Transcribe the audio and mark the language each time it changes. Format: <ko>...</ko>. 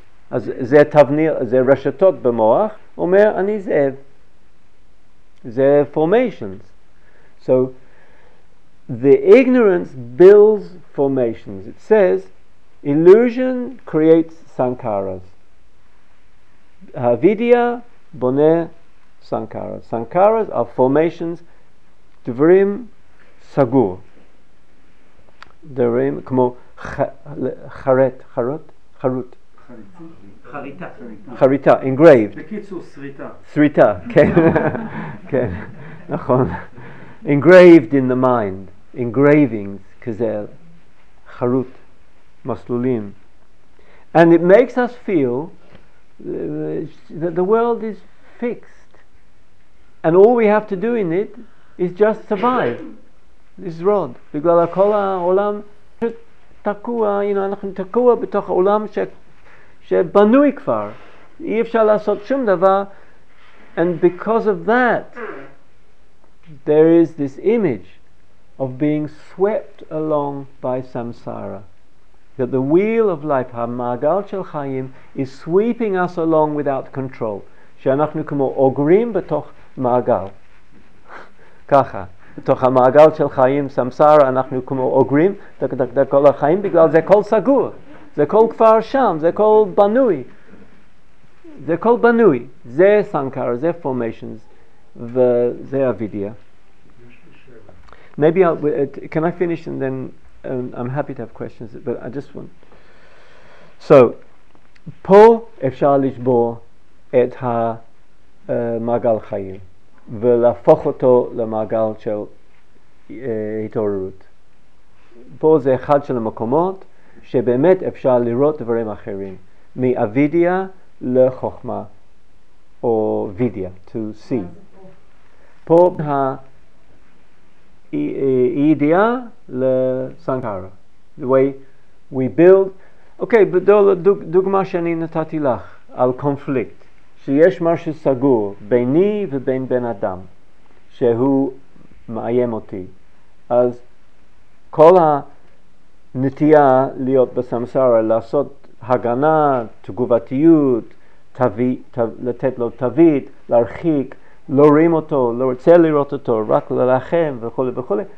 <he>אז זה תבניר, זה רשתות במוח, אומר אני זאב. זה formations.</he> <en>So, the ignorance builds formations. It says, illusion creates sankaras. Avidya bone sankaras. Sankaras are formations,</en> <he>דברים סגור. דברים כמו חרט, חרט? חרוט. חריטה. חריטה, engraved. בקיצור, שריטה. שריטה, כן. כן, נכון.</he> <en>Engraved in the mind.</en> <he>Engravings, כזה חרוט, מסלולים.</he> <en>And it makes us feel that the world is fixed. And all we have to do in it is just survive. This rod.</en> <he>בגלל הכל העולם תקוע, אנחנו תקוע בתוך העולם שבנוי כבר. אי אפשר לעשות שום דבר.</he> <en>And because of that, there is this image of being swept along by samsara. That the wheel of life,</en> <he>המעגל של חיים,</he> <en>is sweeping us along without control.</en> <he>שאנחנו כמו אוגרים בתוך מעגל. ככה. בתוך המעגל של חיים, סמסר, אנחנו כמו אוגרים, דק דק דק כל החיים, בגלל זה כל סגור. זה כל כפר שם, זה כל בנוי. זה כל בנוי. זה סנקר, זה formations, וזה אבידיה.</he> <en>Maybe I'll, can I finish and then I'm happy to have questions, but I just want.</en> <he>So, פה אפשר לשבור את המעגל חיים. ולהפוך אותו למעגל של התעוררות. פה זה אחד של המקומות שבאמת אפשר לראות דברים אחרים, מאבידיה לחוכמה, או וידיה,</he> <en>to see.</en> <he>פה האידיה לסנקרה,</he> <en>the way we build.</en> <he>אוקיי, דוגמה שאני נתתי לך על קונפליקט, שיש משהו סגור ביני ובין בן אדם שהוא מאיים אותי, אז כל הנטייה להיות בסמסרה, לעשות הגנה, תגובתיות, לתת לו תווית, להרחיק, לא רואים אותו, לא רוצה לראות אותו, רק ללחם וכו' וכו'.</he>